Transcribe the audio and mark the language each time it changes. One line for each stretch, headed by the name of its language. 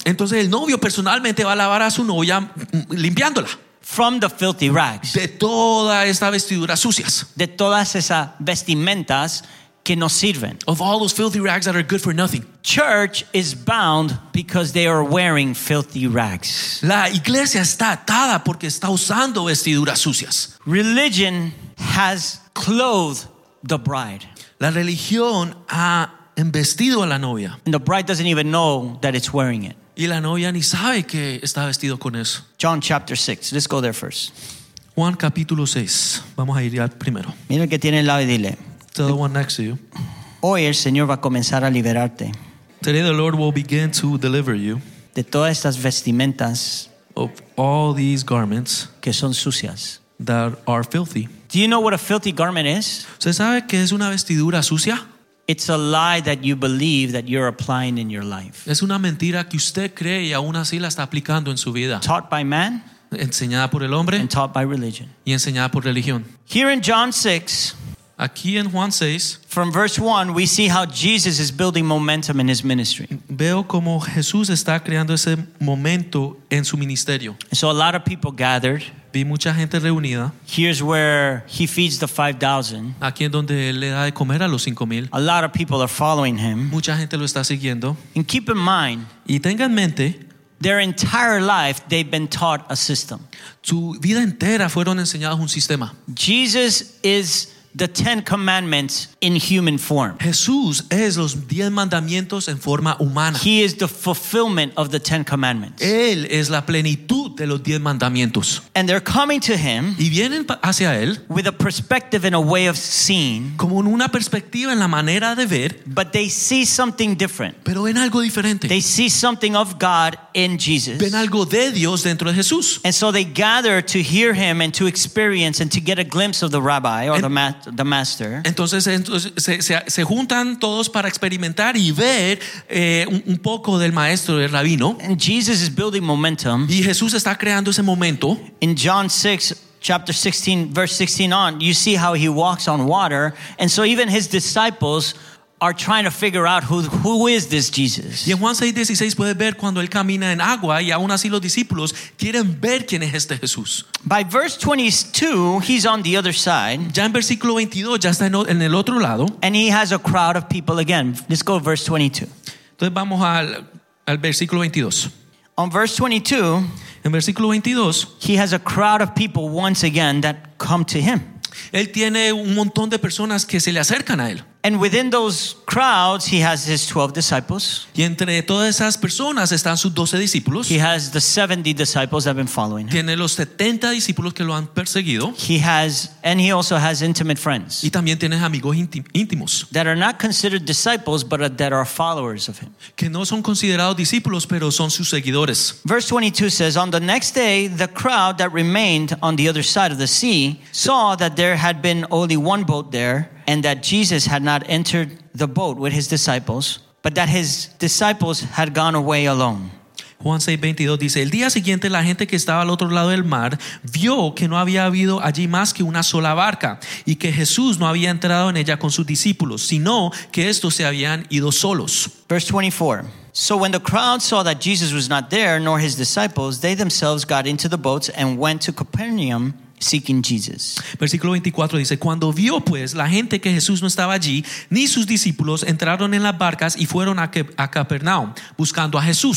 Spanish: Entonces el novio personalmente va a lavar a su novia limpiándola.
English: From the filthy rags.
Spanish: De todas estas vestiduras sucias. De todas esas vestimentas que no sirven.
English: Of all those filthy rags that are good for nothing. Church is bound because they are wearing filthy rags.
Spanish: La iglesia está atada porque está usando vestiduras sucias.
English: Religion has clothed the bride.
Spanish: La religión ha embestido a la novia.
English: And the bride doesn't even know that it's wearing it.
Spanish: Y la novia ni sabe que está vestido con eso.
English: John chapter 6. Let's go there first.
Spanish: Juan capítulo 6. Vamos a ir ya primero. Mira el que tiene al lado y dile.
English: To the one next to you.
Spanish: Hoy el Señor va a comenzar a liberarte.
English: Today the Lord will begin to deliver you.
Spanish: De todas estas vestimentas.
English: of all these garments
Spanish: que son sucias.
English: That are filthy. Do you know what a filthy garment is?
Spanish: ¿Usted sabe qué es una vestidura sucia?
English: It's a lie that you believe that you're applying in your life.
Spanish: Es una mentira que usted cree y aún así la está aplicando en su vida.
English: Taught by man.
Spanish: Enseñada por el hombre.
English: And taught by religion.
Spanish: Y enseñada por religión.
English: Here in John 6.
Spanish: Aquí en Juan 6.
English: From verse 1, we see how Jesus is building momentum in his ministry.
Spanish: Veo como Jesús está creando ese momento en su ministerio.
English: So a lot of people gathered.
Spanish: Vi mucha gente reunida.
English: Here's where he feeds the 5,000.
Spanish: Aquí es donde él le da de comer a los 5,000.
English: A lot of people are following him.
Spanish: Mucha gente lo está siguiendo.
English: And keep in mind.
Spanish: Y tengan en mente.
English: Their entire life, they've been taught a system.
Spanish: Su vida entera fueron enseñados un sistema.
English: Jesus is the Ten Commandments in human form.
Spanish: Jesús es los 10 mandamientos en forma humana.
English: He is the fulfillment of the Ten Commandments.
Spanish: Él es la plenitud de los 10 mandamientos.
English: And they're coming to him.
Spanish: Y vienen hacia él.
English: With a perspective and a way of seeing.
Spanish: Como en una perspectiva en la manera de ver.
English: But they see something different.
Spanish: Pero ven algo diferente.
English: They see something of God in Jesus.
Spanish: Ven algo de Dios dentro de Jesús.
English: And so they gather to hear him and to experience and to get a glimpse of the rabbi or the master.
Spanish: Entonces se juntan todos para experimentar y ver un poco del maestro, del rabino.
English: And Jesus is building momentum.
Spanish: Y Jesús está creando ese momento.
English: In John 6, chapter 16, verse 16 on, you see how he walks on water. And so even his disciples are trying to figure out who is this Jesus.
Spanish: Y en Juan 6:16 puede ver cuando él camina en agua y aún así los discípulos quieren ver quién es este Jesús.
English: By verse 22, he's on the other side.
Spanish: Ya en versículo 22 ya está en el otro lado.
English: And he has a crowd of people again. Let's go to verse 22.
Spanish: Entonces vamos al versículo 22.
English: On verse 22,
Spanish: en versículo 22,
English: he has a crowd of people once again that come to him.
Spanish: Él tiene un montón de personas que se le acercan a él.
English: And within those crowds, he has his 12 disciples.
Spanish: Y entre todas esas personas están sus 12 discípulos.
English: He has the 70 disciples that have been following him.
Spanish: Tiene los 70 discípulos que lo han perseguido.
English: And he also has intimate friends.
Spanish: Y también tiene amigos íntimos.
English: That are not considered disciples, but that are followers of him.
Spanish: Que no son considerados discípulos, pero son sus seguidores.
English: Verse 22 says, on the next day, the crowd that remained on the other side of the sea saw that there had been only one boat there, and that Jesus had not entered the boat with his disciples, but that his disciples had gone away alone.
Spanish: Juan 6:22 dice, el día siguiente la gente que estaba al otro lado del mar vio que no había habido allí más que una sola barca y que Jesús no había entrado en ella con sus discípulos, sino que estos se habían ido solos.
English: Verse 24. So when the crowd saw that Jesus was not there nor his disciples, they themselves got into the boats and went to Capernaum seeking Jesus.
Spanish: Versículo 24 dice, cuando vio pues la gente que Jesús no estaba allí, ni sus discípulos, entraron en las barcas y fueron a Capernaum buscando a Jesús.